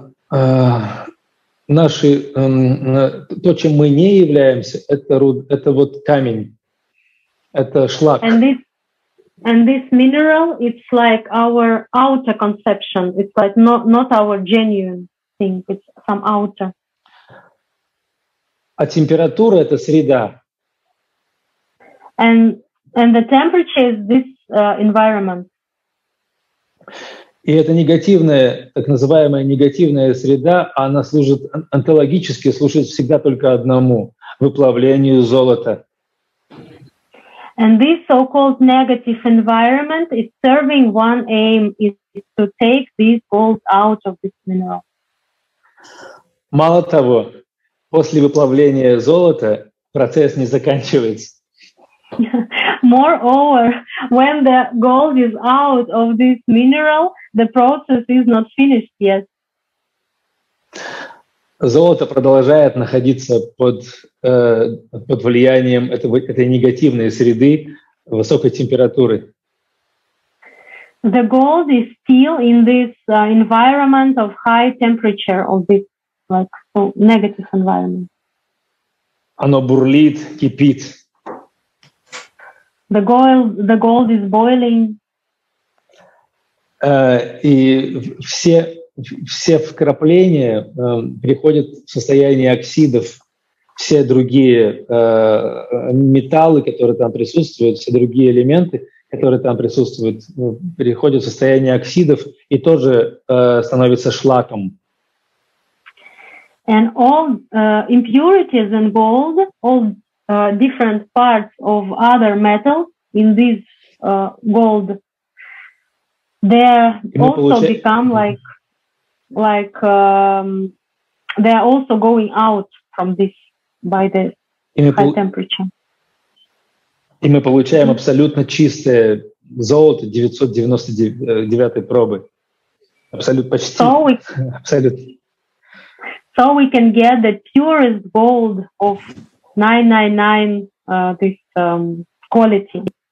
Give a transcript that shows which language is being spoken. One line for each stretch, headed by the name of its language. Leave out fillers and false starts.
Russian: Наши то, чем мы не являемся, это вот камень, это шлак.
English: And this mineral, it's like our outer conception. It's like not our genuine thing. It's some outer.
Russian: А температура — это среда.
English: And the temperature is this environment.
Russian: И эта негативная, так называемая негативная среда, она служит онтологически, служит всегда только одному — выплавлению золота.
English: And this so-called negative environment is serving one aim, is to take this gold out of this mineral.
Russian: Мало того, после выплавления золота процесс не заканчивается.
English: Moreover, when the gold is out of this mineral, the process is not finished yet.
Russian: Золото продолжает находиться под влиянием этой негативной среды высокой температуры.
English: The gold is still in this environment of high temperature of this like so negative environment.
Russian: Оно бурлит, кипит.
English: The gold is boiling.
Russian: И все вкрапления приходят в состояние оксидов. Все другие металлы, которые там присутствуют, все другие элементы, которые там присутствуют, переходят в состояние оксидов и тоже становятся шлаком.
English: And all impurities in gold, all different parts of other metal in this gold, they also become like they are also going out from this by the high temperature.
Russian: И мы получаем абсолютно чистое золото 999-й пробы. Абсолютно почти.
English: So we,
Russian: абсолютно.
English: so we can get the purest gold of 999 this quality.